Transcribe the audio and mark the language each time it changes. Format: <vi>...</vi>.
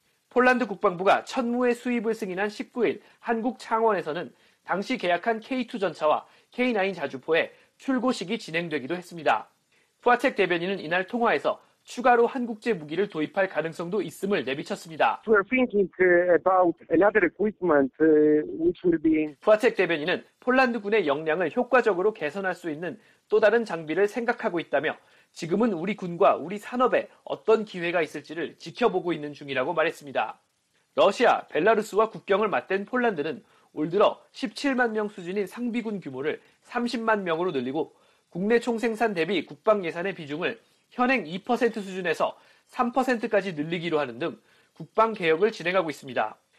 <ko>폴란드 국방부가 천무의 수입을 승인한 19일 한국 창원에서는 당시 계약한 K2 전차와 K9 자주포의 출고식이 진행되기도 했습니다. 푸아첵 대변인은 이날 통화에서 추가로 한국제 무기를 도입할 가능성도 있음을 내비쳤습니다.</ko> <en>We're thinking about another equipment which will be.</en> <ko>푸아첵 대변인은 폴란드군의 역량을 효과적으로 개선할 수 있는 또 다른 장비를 생각하고 있다며 지금은 우리 군과 우리 산업에 어떤 기회가 있을지를 지켜보고 있는 중이라고 말했습니다. 러시아, 벨라루스와 국경을 맞댄 폴란드는 올 들어 17만 명 수준인 상비군 규모를 30만 명으로 늘리고 국내 총생산 대비 국방 예산의 비중을 현행 2% 수준에서 3%까지 늘리기로 하는 등 국방 개혁을 진행하고 있습니다.</ko>